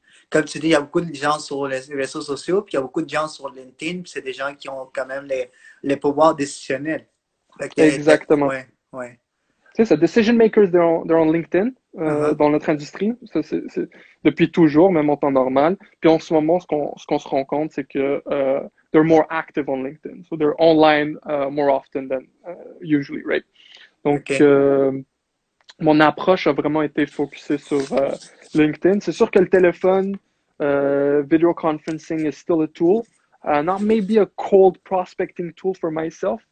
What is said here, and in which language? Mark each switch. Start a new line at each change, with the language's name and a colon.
French: Comme tu dis, il y a beaucoup de gens sur les réseaux sociaux, puis il y a beaucoup de gens sur LinkedIn, puis c'est des gens qui ont quand même les pouvoirs décisionnels. Exactement. C'est ça,
English: decision makers, they're on LinkedIn,
French: dans notre industrie, depuis toujours, même en temps normal. Puis en ce moment, ce qu'on se rend compte, c'est que
English: they're more active on LinkedIn. So they're online more often than usually, right?
French: Donc, mon approche a vraiment été focusée sur LinkedIn. C'est sûr que le téléphone,
English: video conferencing, is still a tool. Not maybe a cold prospecting tool for myself.